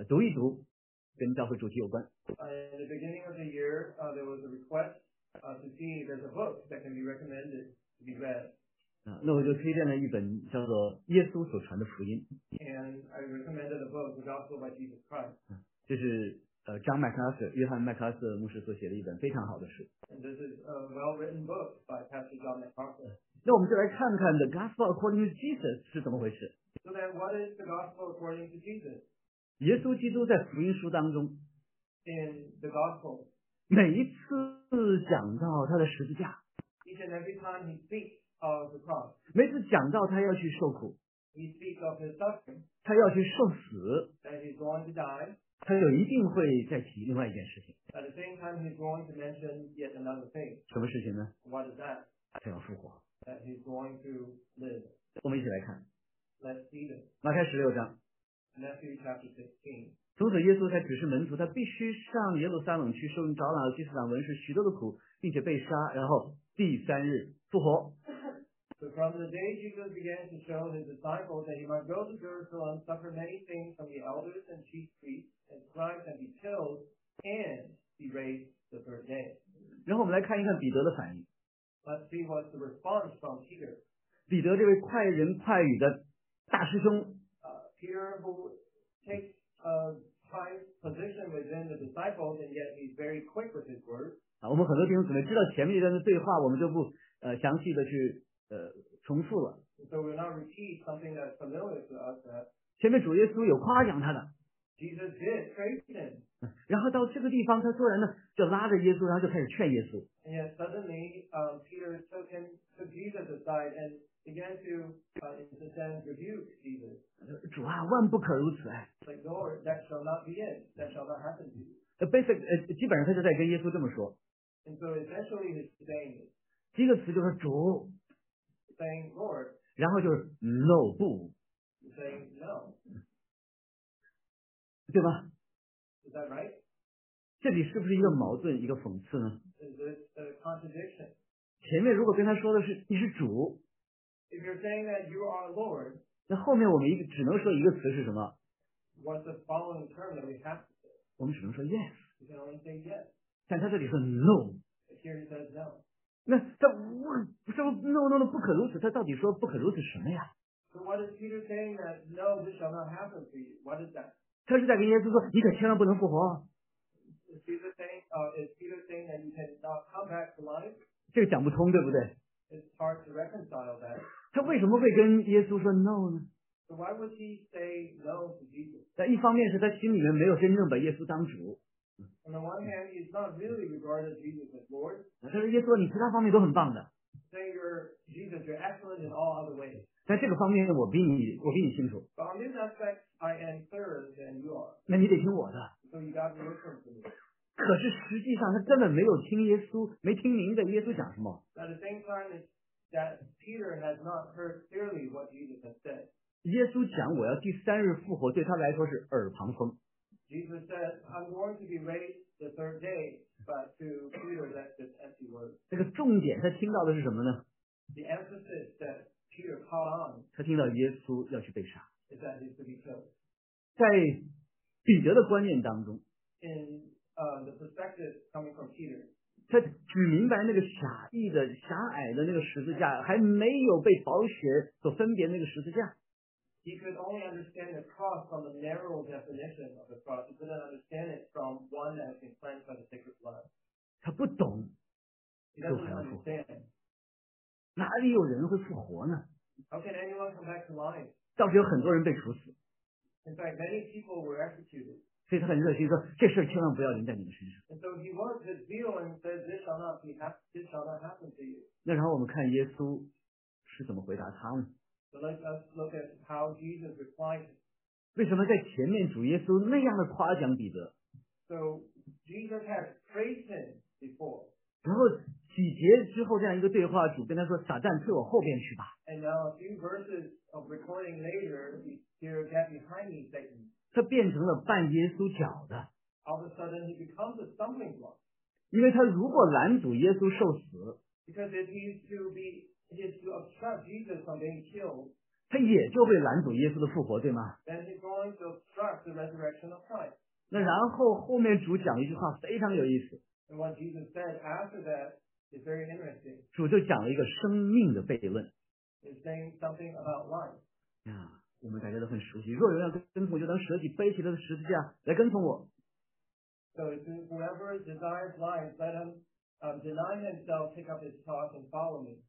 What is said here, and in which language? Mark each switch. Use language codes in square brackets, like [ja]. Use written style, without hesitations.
[zh] 今年年初的时候，我们英文堂，我们Samuel牧师说，能不能够推荐一本书，我们的英文堂当中大家一起来读一读，跟教会主题有关。 [en] In the beginning of the year, there was a request to see if there's a book that can be recommended to be read. [zh] 那我就推荐了一本叫做《耶稣所传的福音》。 [en] And I recommended a book, The Gospel by Jesus Christ. [zh] 这是约翰麦克阿瑟牧师所写的一本非常好的书。 [en] And this is a well-written book by Pastor John MacArthur. [zh] 那我们就来看看 The Gospel According to Jesus 是怎么回事。 [en] So then what is The Gospel According to Jesus? [zh] 耶稣基督在福音书当中， [en] In the Gospel, [zh] 每一次讲到他的十字架， [en] Each and every time he speaks of the cross, [zh] 每次讲到他要去受苦， [en] He speaks of his suffering, [zh] 他要去受死， [en] And he's going to die, [zh] 他有一定会再提另外一件事情。 [en] At the same time, he's going to mention yet another thing. [zh] 什么事情呢？ [en] What is that? [zh] 他要复活。 [en] That he's going to live. [zh] 我们一起来看。 [en] Let's see this. [zh] 马太16章。 [en] Matthew chapter 16. [zh] 从此耶稣才指示门徒，他必须上耶路撒冷去受长老、祭司长、文士许多的苦，并且被杀，然后第三日复活。 [en] So from the day Jesus began to show his disciples that he might go to Jerusalem, suffer many things from the elders and chief priests and scribes and be killed and be raised the third day. [zh] 然后我们来看一看彼得的反应。 [en] Let's see what's the response from Peter. [zh] 彼得这位快人快语的大师兄， [en] Peter who takes a high position within the disciples and yet he's very quick with his words. [zh] 我们很多弟兄姊妹知道前面一段的对话，我们就不详细的去 重复了。 [en] So we're not repeat something that's familiar to us. [zh] 前面主耶稣有夸奖他的。 [en] Jesus did praise him. [zh] 然后到这个地方，他突然呢就拉着耶稣，然后就开始劝耶稣。 [en] And yet suddenly, Peter took Jesus aside and began to, in a sense, rebuke Jesus. [zh] 主啊，万不可如此哎。 [en] Like, Lord, that shall not be it. That shall not happen to you. Basically， [zh] 基本上他就在跟耶稣这么说。 [en] And so essentially, he's saying it. [zh] 第一个词就是主。 [en] Saying Lord. [zh] 然后就是 No, 不。 [en] Saying no. [zh] 对吧？ [en] Is that right? [zh] 这里是不是一个矛盾，一个讽刺呢？ [en] contradiction. [zh] 前面如果跟他说的是你是主, [en] if you're saying that you are Lord, [zh] 那后面我们只能说一个词是什么? [en] What's the following term that we have to say? [zh] 我们只能说 yes. [en] You can only say yes. [zh] 但他这里说no. [en] Here he says no. [zh] 那他说no, 不可如此, 他到底说不可如此什么呀? [en] So what is Peter saying that no, this shall not happen to you? What is that? [zh] 他是在跟耶稣说, 你可千万不能复活。 [en] Is Peter saying that you cannot come back to life? [zh] 这个讲不通, 对不对? [en] It's hard to reconcile that. [zh] 他为什么会跟耶稣说no 呢? [en] So why would he say no to Jesus? [zh] 但一方面是他心里面没有真正把耶稣当主。 [en] On the one hand, he's not really regarded Jesus as Lord. [zh] 但是耶稣你其他方面都很棒的。 [en] Saying Jesus, you're excellent in all other ways. [zh] 但这个方面我比你清楚。 [en] But on this aspect, I am third than you are. [zh] 那你得听我的。 [en] So you got to listen to me. [zh] 可是实际上他根本没有听耶稣, 没听明白耶稣讲什么。 [en] At the same time, that Peter has not heard clearly what Jesus has said. [zh] 耶稣讲我要第三日复活, 对他来说是耳旁风。 [en] Jesus said, I'm going to be raised the third day, but to Peter that's just empty words. [zh] 这个重点他听到的是什么呢? [en] The emphasis that Peter caught on, [zh] 他听到耶稣要去被杀。 [en] Is that he's to be killed. [zh] 在彼得的观念当中, [en] The perspective coming from Peter, [zh] 他举明白那个狭隘的那个十字架, 还没有被宝血所分别那个十字架。 [en] He could only understand the cross from the narrow definition of the cross. He couldn't understand it from one that has been cleansed by the sacred blood. [zh] 他不懂, [en] he doesn't understand. [zh] 哪里有人会复活呢? [en] How can anyone come back to life? [zh] 倒是有很多人被处死。 [en] In fact, many people were executed. [zh] 所以他很热心说这事千万不要临在你们身上。 [en] And so he worked his zeal and said, this shall not be this shall not happen to you. [zh] 那然后我们看耶稣是怎么回答他呢? [en] So let us look at how Jesus replied. [zh] 为什么在前面主耶稣那样的夸奖彼得? [en] So Jesus had praised him before. [zh] 然后几节之后这样一个对话, 主跟他说, 撒旦退我后边去吧。 [en] And now a few verses of recording later, we hear, get behind me, Satan. [zh] 他变成了绊耶稣脚的。 [en] All of a sudden he becomes a stumbling block. [zh] 因为他如果拦阻耶稣受死, [en] because if he is to be, if he is to obstruct Jesus from being killed, [zh] 他也就会拦阻耶稣的复活, 对吗? [en] Then he's going to obstruct the resurrection of Christ. [zh] 那然后后面主讲一句话, 非常有意思。 [en] And what Jesus said after that is very interesting. [zh] 主就讲了一个生命的悖论。 [en] He's saying something about life. Yeah. [zh] 我们大家都很熟悉, 若有人要跟从, 就当舍己, 背起他的十字架, 来跟从我。 [en] So whoever desires life, let him deny himself, pick up his cross and follow me.